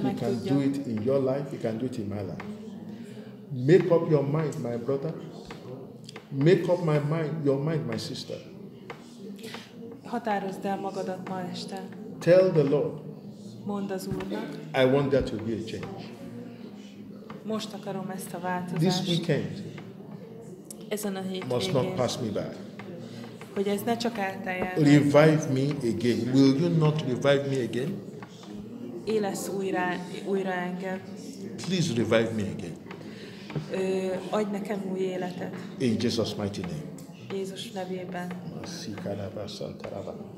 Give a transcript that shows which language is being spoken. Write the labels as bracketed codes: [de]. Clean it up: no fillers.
[en] he can do it in your life, he can do it in my life. Make up your mind, my brother. Make up my mind, your mind, my sister. [hu] Határozd el magadat ma este. [en] Tell the Lord. [hu] Mondd az Úrnak. [en] I want there to be a change. [hu] Most akarom ezt a változást. [en] This weekend. [hu] Ezen a hétvégén. [en] Must not pass me by. [hu] Hogy ez ne csak elteljen. [en] Revive me again. Will you not revive me again? [hu] Élesz újra engem. [en] Please revive me again. [hu] Adj nekem új életet. [en] In Jesus' mighty name. [hu] Jézus nevében. Merci, Karaba, Santa Raba.